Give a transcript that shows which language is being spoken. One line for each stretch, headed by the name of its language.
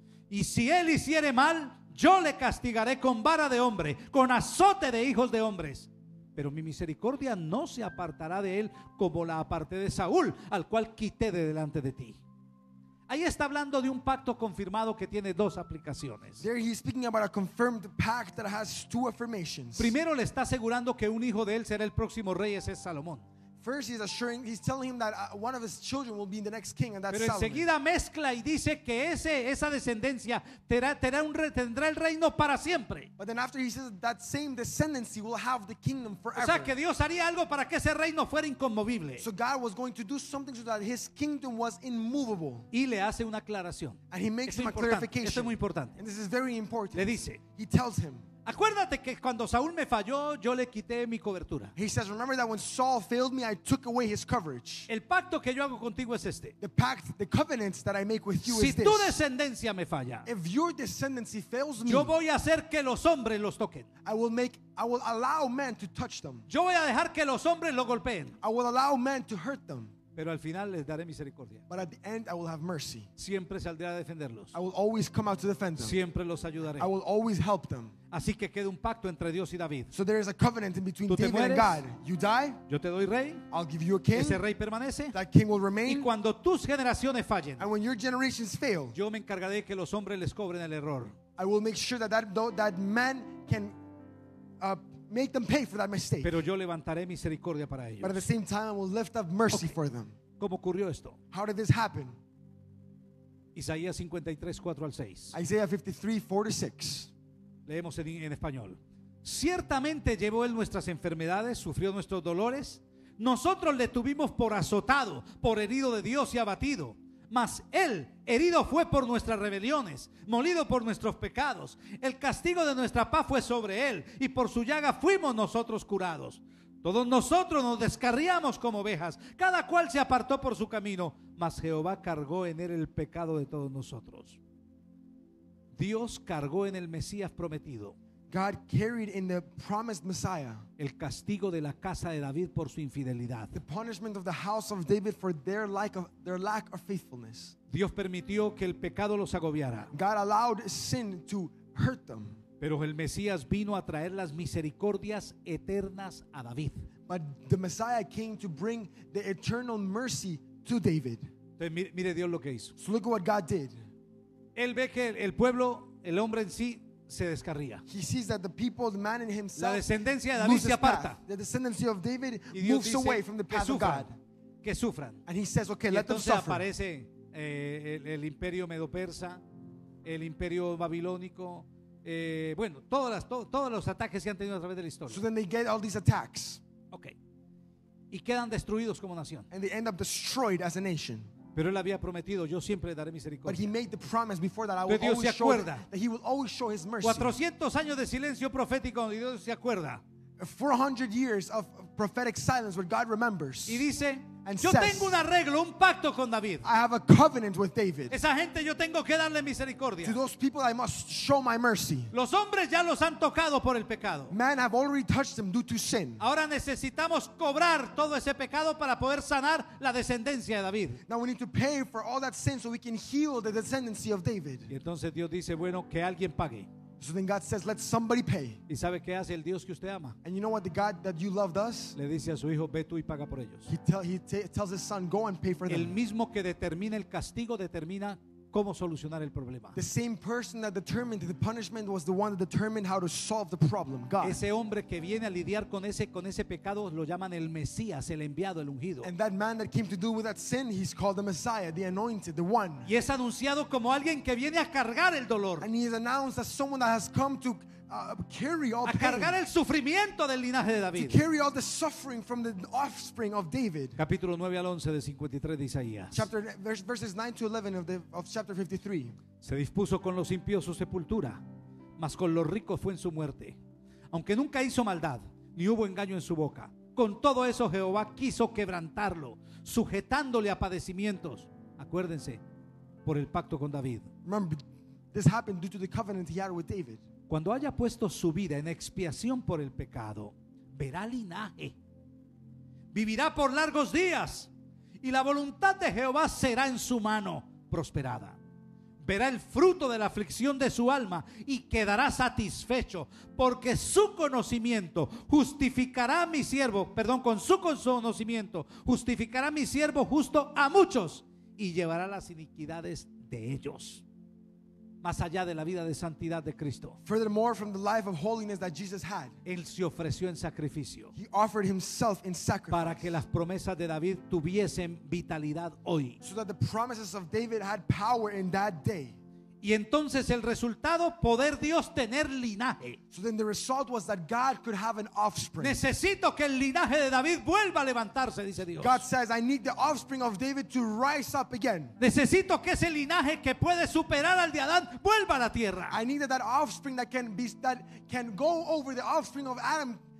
Spanish: Y si él hiciere mal, yo le castigaré con vara de hombre, con azote de hijos de hombres. Pero mi misericordia no se apartará de él como la aparté de Saúl, al cual quité de delante de ti. Ahí está hablando de un pacto confirmado que tiene dos aplicaciones.
English: There he's speaking about a confirmed pact that has two affirmations.
Spanish: Primero, le está asegurando que un hijo de él será el próximo rey, ese es Salomón.
English: First, he's telling him that one of his children will be the next king, and that's Salomón.
Spanish: Pero enseguida mezcla y dice que esa descendencia tendrá el reino para siempre.
English: But then after he says that same descendancy will have the kingdom forever.
Spanish: O sea, que Dios haría algo para que ese reino fuera inconmovible.
English: So God was going to do something so that his kingdom was immovable.
Spanish: Y le hace una aclaración.
English: And he makes him a clarification.
Spanish: Esto es muy importante.
English: And this is very important.
Spanish: Le dice.
English: He tells him.
Spanish: Acuérdate que cuando Saúl me falló, yo le quité mi cobertura.
English: He says, remember that when Saul failed me, I took away his coverage.
Spanish: El pacto que yo hago contigo es este.
English: The pact, the covenant that I make with you
Spanish: si
English: is this.
Spanish: Si tu descendencia me falla,
English: if your descendancy fails me,
Spanish: yo voy a hacer que los hombres los toquen.
English: I will allow men to touch them.
Spanish: Yo voy a dejar que los hombres lo golpeen.
English: I will allow men to hurt them.
Spanish: Pero al final les daré misericordia.
English: But at the end I will have mercy.
Spanish: Siempre saldré a defenderlos.
English: I will always come out to defend them.
Spanish: Siempre los ayudaré.
English: I will always help them.
Spanish: Así que queda un pacto entre Dios y David.
English: So there is a covenant in between David
Spanish: mueres,
English: and God. You die.
Spanish: Yo te doy rey.
English: I'll give you a king.
Spanish: Ese rey permanece.
English: That king will remain.
Spanish: Y cuando tus generaciones fallen,
English: and when your generations fail,
Spanish: yo me encargaré que los hombres les cobren el error.
English: I will make sure that man can make them pay for that mistake.
Spanish: Pero yo levantaré misericordia para ellos.
English: But at the same time I will lift up mercy okay. for them.
Spanish: ¿Cómo ocurrió esto?
English: How did this happen?
Spanish: Isaías 53, 4 al 6.
English: Isaiah 53, 4 to 6.
Spanish: Leemos en español. Ciertamente llevó él nuestras enfermedades, sufrió nuestros dolores. Nosotros le tuvimos por azotado, por herido de Dios y abatido. Mas él, herido fue por nuestras rebeliones, molido por nuestros pecados. El castigo de nuestra paz fue sobre él, y por su llaga fuimos nosotros curados. Todos nosotros nos descarriamos como ovejas, cada cual se apartó por su camino, mas Jehová cargó en él el pecado de todos nosotros. Dios cargó en el Mesías prometido.
English: God carried in the promised Messiah.
Spanish: El castigo de la casa de David por su infidelidad.
English: The punishment of the house of David for their lack of faithfulness.
Spanish: Dios permitió que el pecado los agobiara.
English: God allowed sin to hurt them.
Spanish: Pero el Mesías vino a traer las misericordias eternas a David.
English: But the Messiah came to bring the eternal mercy to David.
Spanish: Entonces, mire Dios lo que hizo.
English: So look at what God did.
Spanish: Él ve que el pueblo, el hombre en sí, se descarría.
English: He sees that the people, the man in himself,
Spanish: la descendencia de David se aparta.
English: The descendancy of David
Spanish: y Dios
English: moves
Spanish: dice,
English: away from the path
Spanish: sufran,
English: of God.
Spanish: Que sufran.
English: And he says, okay,
Spanish: y
English: let them suffer.
Spanish: Entonces aparece el imperio medo-persa, el imperio babilónico, bueno, todos los ataques que han tenido a través de la historia.
English: So then they get all these attacks.
Spanish: Okay. y quedan destruidos como nación.
English: And they end up destroyed as a nation.
Spanish: Pero él había prometido, yo siempre le daré misericordia.
English: But he made the promise before that I will always show that he will always show his mercy.
Spanish: 400 años de silencio profético y Dios se acuerda.
English: 400 years of prophetic silence where God remembers.
Spanish: Y dice, and yo says, tengo un arreglo, un pacto con David.
English: I have a covenant with David.
Spanish: Esa gente yo tengo que darle misericordia.
English: To those people I must show my mercy.
Spanish: Los hombres ya los han tocado por el pecado.
English: Men have already touched them due to sin.
Spanish: Ahora necesitamos cobrar todo ese pecado para poder sanar la descendencia de David.
English: Now we need to pay for all that sin so we can heal the descendancy of David.
Spanish: Y entonces Dios dice, bueno, que alguien pague.
English: So then God says, let somebody pay.
Spanish: ¿Y sabe qué hace el Dios que usted ama?
English: And you know what the God that you love does?
Spanish: Le dice a su hijo, ve tú y paga por ellos.
English: He tells his son, go and pay for
Spanish: el
English: them.
Spanish: El mismo que determina el castigo determina cómo solucionar el problema.
English: The same person that determined the punishment was the one that determined how to solve the problem, God.
Spanish: Ese hombre que viene a lidiar con ese pecado lo llaman el Mesías, el enviado, el ungido.
English: And that man that came to deal with that sin, he's called the Messiah, the anointed, the one.
Spanish: Y es anunciado como alguien que viene a cargar el dolor.
English: And he is announced as someone that has come to carry all pain.
Spanish: A cargar el sufrimiento del linaje de David.
English: To carry all the suffering from the offspring of David.
Spanish: Capítulo 9 al 11 de 53 de Isaías.
English: Verses 9 to 11 of chapter 53.
Spanish: Se dispuso con los impíos su sepultura, mas con los ricos fue en su muerte. Aunque nunca hizo maldad, ni hubo engaño en su boca. Con todo eso Jehová quiso quebrantarlo, sujetándole a padecimientos. Acuérdense, por el pacto con David.
English: Remember, this happened due to the covenant he had with David.
Spanish: Cuando haya puesto su vida en expiación por el pecado, verá linaje, vivirá por largos días, y la voluntad de Jehová será en su mano prosperada. Verá el fruto de la aflicción de su alma y quedará satisfecho, porque su conocimiento justificará a mi siervo, perdón, con su conocimiento justificará a mi siervo justo a muchos y llevará las iniquidades de ellos. Más allá de la vida de santidad de Cristo.
English: Furthermore, from the life of holiness that Jesus had,
Spanish: él se ofreció en sacrificio.
English: He offered himself in sacrifice.
Spanish: Para que las promesas de David tuviesen vitalidad hoy.
English: So that the promises of David had power in that day.
Spanish: Y entonces el resultado, poder Dios tener linaje.
English: So then the result was that God could have an offspring.
Spanish: Necesito que el linaje de David vuelva a levantarse, dice Dios.
English: God says, I need the offspring of David to rise up again.
Spanish: Necesito que ese linaje que puede superar al de Adán vuelva a la tierra.
English: I need that offspring that can go over the offspring of Adam.